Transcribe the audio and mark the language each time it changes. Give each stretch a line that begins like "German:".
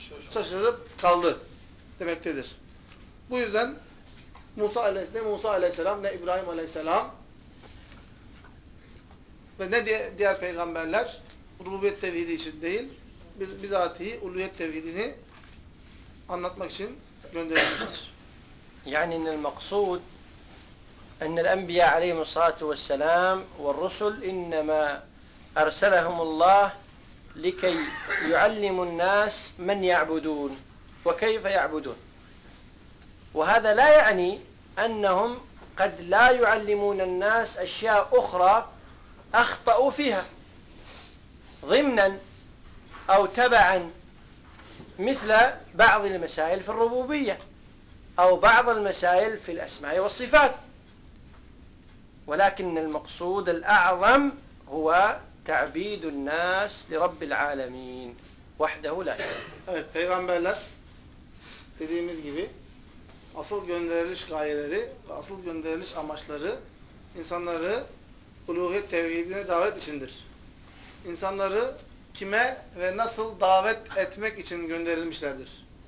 Turkish: Şaşırıp kaldı demektedir. Bu yüzden Musa aleyhisselam, ne Musa aleyhisselam ne İbrahim aleyhisselam ve ne diğer peygamberler rububiyet tevhidi için değil, bizatihi uluhiyet tevhidini anlatmak için gönderilmiştir.
Arabic: Yani en maksud en el-enbiya aleyhi salatu vesselam ve rusul innema erselahumullah likey yuallimun nas men ya'budun وكيف يعبدون وهذا لا يعني أنهم قد لا يعلمون الناس أشياء أخرى أخطأوا فيها ضمنا أو تبعا مثل بعض المسائل في الربوبية أو بعض المسائل في الأسماء والصفات ولكن المقصود الأعظم هو تعبيد الناس لرب العالمين وحده لا شريك
Turkish: dediğimiz gibi asıl gönderiliş gayeleri ve asıl gönderiliş amaçları insanları uluhiyet tevhidine davet içindir. İnsanları kime ve nasıl davet etmek için gönderilmişlerdir.